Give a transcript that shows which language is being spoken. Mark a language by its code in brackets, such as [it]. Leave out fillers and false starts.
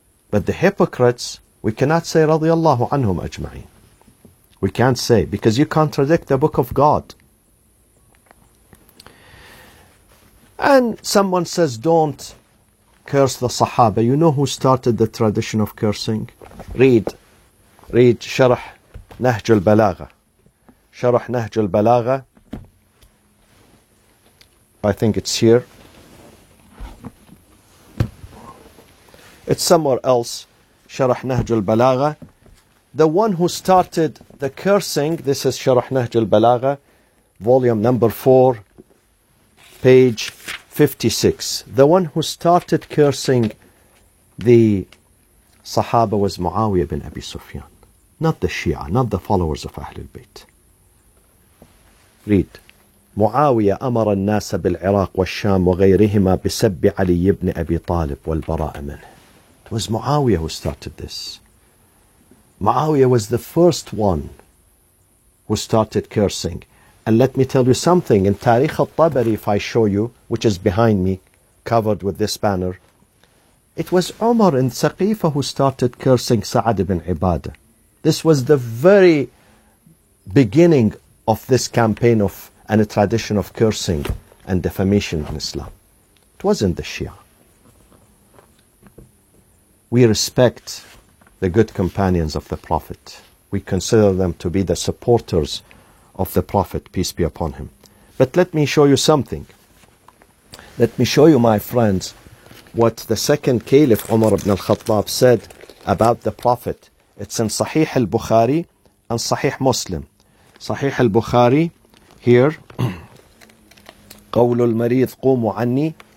[en] But the hypocrites, we cannot say [ar] رضي الله عنهم أجمعين. [en] We can't say, because you contradict the book of God. And someone says, don't curse the Sahaba. You know who started the tradition of cursing? Read شرح نهج البلاغة. [ar] شرح نهج البلاغة. [en] I think it's here. It's somewhere else. شرح نهج البلاغة. The one who started the cursing, this is شرح نهج البلاغة, volume number 4, page 56. The one who started cursing the Sahaba was Muawiyah bin Abi Sufyan. Not the Shia, not the followers of Ahlul Bayt. Read. [ar] معاوية أمر الناس بالعراق والشام وغيرهما بسب علي بن أبي طالب والبراء منه. [en] It was Muawiyah who started this. Muawiyah was the first one who started cursing. And let me tell you something. In Tariq al-Tabari, if I show you, which is behind me, covered with this banner, it was Umar in Saqifah who started cursing Sa'ad ibn Ibadah. This was the very beginning of this campaign of and a tradition of cursing and defamation in Islam. It wasn't the Shia. We respect the good companions of the Prophet. We consider them to be the supporters of the Prophet, peace be upon him. But let me show you something. Let me show you, my friends, what the second Caliph Umar ibn al-Khattab said about the Prophet. It's in Sahih al-Bukhari and Sahih Muslim. Sahih al-Bukhari, here, [ar] قول المريض قوموا عني.